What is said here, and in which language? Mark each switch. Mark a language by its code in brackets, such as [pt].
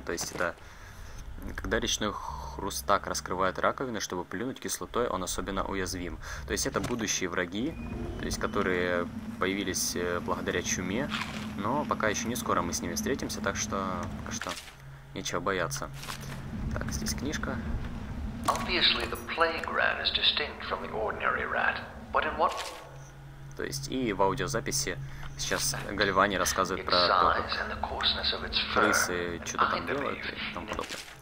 [ru] То есть это когда речной хрустак раскрывает раковины, чтобы плюнуть кислотой, он особенно уязвим. То есть это будущие враги, то есть которые появились благодаря чуме, но пока еще не скоро мы с ними встретимся, так что пока что нечего бояться. Так, здесь книжка. [en] Obviously the plague rat is distinct from the ordinary rat, but in what... [ru] То есть и в аудиозаписи сейчас Гальвани рассказывает про то, как крысы что-то там делают и тому подобное.